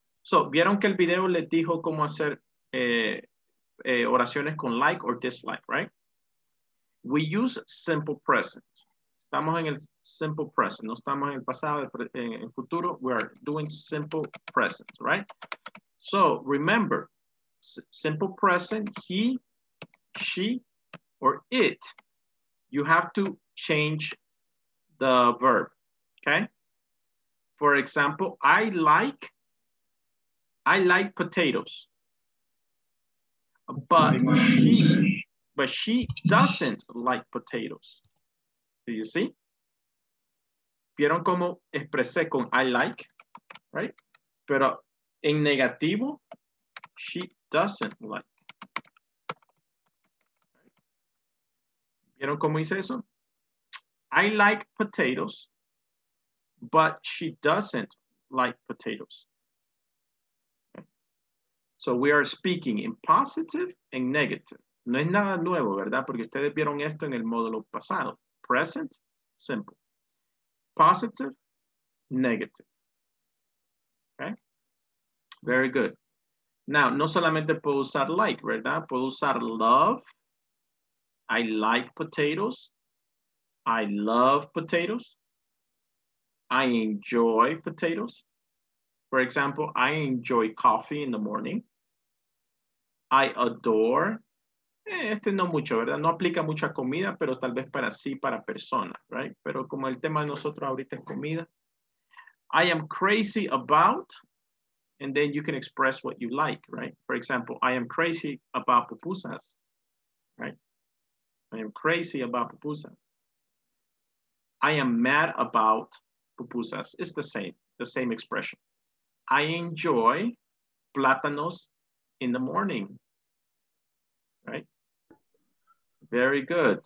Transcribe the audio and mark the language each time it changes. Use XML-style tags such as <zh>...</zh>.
<es>So, vieron que el video les dijo cómo hacer oraciones con</es> <en>like or dislike, right?</en> <es>We use simple present. Estamos en el simple present. No estamos en el pasado, en el futuro.</es> <en>We are doing simple present, right? So, remember, simple present, he, she, or it, you have to change the verb, okay? For example, I like potatoes, but she doesn't like potatoes. Do you see?</en> <es>¿Vieron cómo expresé con</es> <en>I like? Right?</en> <es>Pero en negativo,</es> <en>she doesn't like.</en> <es>¿Vieron cómo hice eso?</es> <en>I like potatoes, but she doesn't like potatoes. So we are speaking in positive and negative.</en> <es>No es nada nuevo, ¿verdad? Porque ustedes vieron esto en el módulo pasado.</es> <en>Present, simple. Positive, negative. Okay? Very good.</en> <es>Now, no solamente puedo usar like, ¿verdad? Puedo usar love.</es> <en>I like potatoes. I love potatoes. I enjoy potatoes. For example, I enjoy coffee in the morning. I adore.</en> <es>Este no mucho, ¿verdad? No aplica mucha comida, pero tal vez para sí, para personas, right? Pero como el tema de nosotros ahorita es comida.</es> <en>I am crazy about, and then you can express what you like, right? For example, I am crazy about pupusas, right? I am crazy about pupusas. I am mad about pupusas. It's the same expression. I enjoy plátanos in the morning, right? Very good.</en>